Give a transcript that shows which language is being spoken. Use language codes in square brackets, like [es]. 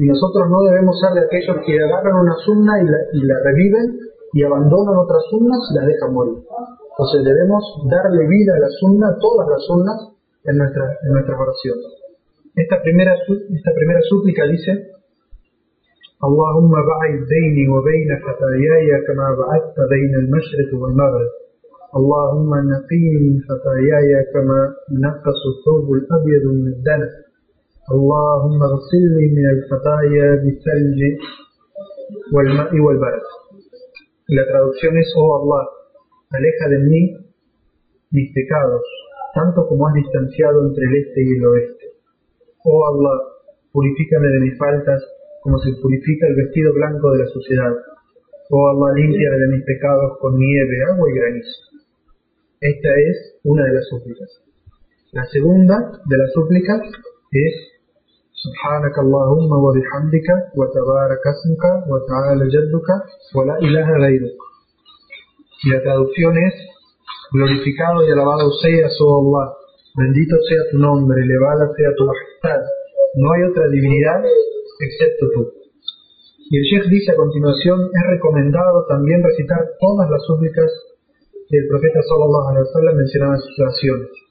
[es] Y nosotros no debemos ser de aquellos que agarran una sunna y la reviven y abandonan otras sunnas y las dejan morir. Entonces debemos darle vida a la sunna, a todas las sunnas, en nuestras oraciones. Esta primera súplica dice [ar] اللهم بعد بيني وبين خطاياي كما بعدت بين المشرق والمغرب. اللهم نقيني من خطاياي كما نقص الثوب الأبيض من الدنس. اللهم اغسلني من الخطايا بالثلج والماء والبرد. [es] La traducción es: Oh Allah, aleja de mí mis pecados, tanto como has distanciado entre el este y el oeste. Oh Allah, purifícame de mis faltas, como se purifica el vestido blanco de la suciedad. Oh Allah, límpiame de mis pecados con nieve, agua y granizo. Esta es una de las súplicas. La segunda de las súplicas es: [ar] سبحانك اللهم وبحمدك وتبارك اسمك وتعالى جدك ولا إله غيرك. [es] La traducción es: glorificado y alabado seas, oh Allah, bendito sea tu nombre, elevada sea tu majestad, no hay otra divinidad excepto tú. Y el Sheikh dice a continuación: es recomendado también recitar todas las súplicas del profeta sallallahu alaihi wasallam mencionadas en sus oraciones.